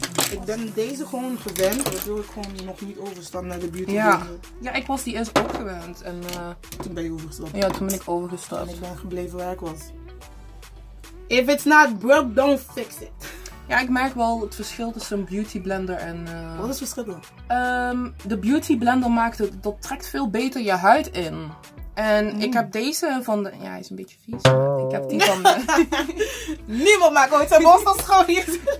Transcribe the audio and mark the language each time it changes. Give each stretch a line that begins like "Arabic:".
Dutch: Ik ben deze gewoon gewend, waardoor ik gewoon nog niet overstap naar de beauty. Ja, ja, ik was die eerst ook gewend. En, toen ben je overgestapt. Ja, toen ben ik overgestapt. En ik ben gebleven waar ik was.
English: If it's not broke, don't fix it.
Dutch: Ja, ik merk wel het verschil tussen een beauty blender en... Wat is het verschil dan? De beauty blender maakt het, dat trekt veel beter je huid in. En ik heb deze van de... Ja, hij is een beetje vies. Ik heb die van de... Niemand maakt ooit zijn borstel schoon hier.